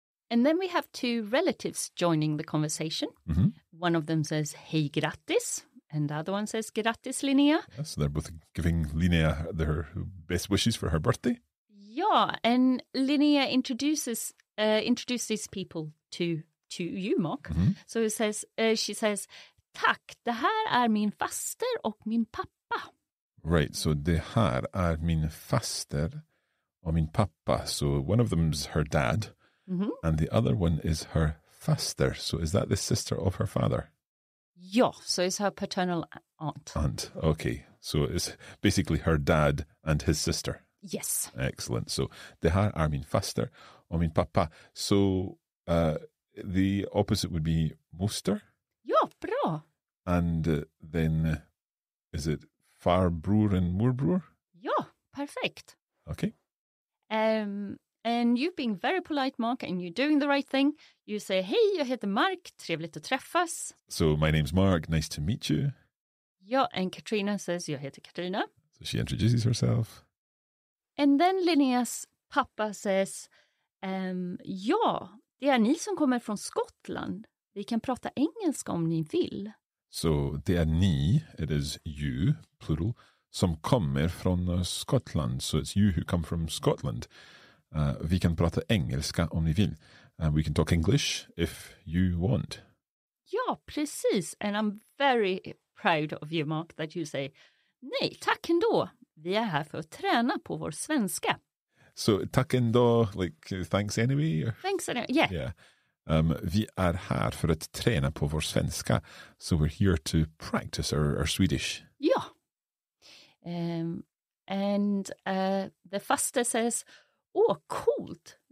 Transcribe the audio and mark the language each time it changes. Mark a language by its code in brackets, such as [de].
[en] And then we have two relatives joining the conversation. Mm-hmm. One of them says, [sv] hej, grattis. [en] And the other one says, grattis, Linnea. Yes, they're both giving Linnea their best wishes for her birthday. Yeah, and Linnea introduces these people to you, Mark. Mm-hmm. So it says she says, [sv] tack, det här är min faster och min pappa. [en] Right, so [sv] det här är min faster och min pappa. [en] So one of them's her dad, mm-hmm. and the other one is her faster. So is that the sister of her father? Yeah, so it's her paternal aunt. Aunt, okay. So it's basically her dad and his sister. Yes. Excellent. [sv] So, det här är min faster och min pappa. [en] So, the opposite would be moster. [sv] Ja, bra. [en] And then, is it farbror and morbror? [sv] Ja, [en] perfect. Okay. And you've been very polite, Mark, and you're doing the right thing. You say, [sv] hej, jag heter Mark, trevligt att träffas. [en] So, my name's Mark, nice to meet you. [sv] Ja, [en] and [sv] Katrina says, jag heter Katrina. [en] So, she introduces herself. And then [sv] Linneas pappa says, ja, det är ni som kommer från Skottland. Vi kan prata engelska om ni vill. [en] So, [sv] det är ni, [en] it is you, plural, [sv] som kommer från Skottland. [en] So, it's you who come from Scotland. [sv] Vi kan prata engelska om ni vill. [en] We can talk English if you want. [sv] Ja, precis. [en] And I'm very proud of you, Mark, that you say, [sv] nej, tack ändå. Vi är här för att träna på vår svenska. [en] So, [sv] tack ändå, [en] like, thanks anyway? Or? Thanks anyway, yeah. Yeah. [sv] Vi är här för att träna på vår svenska. [en] So, we're here to practice our Swedish. Ja. And the faster says, [sv] åh, coolt.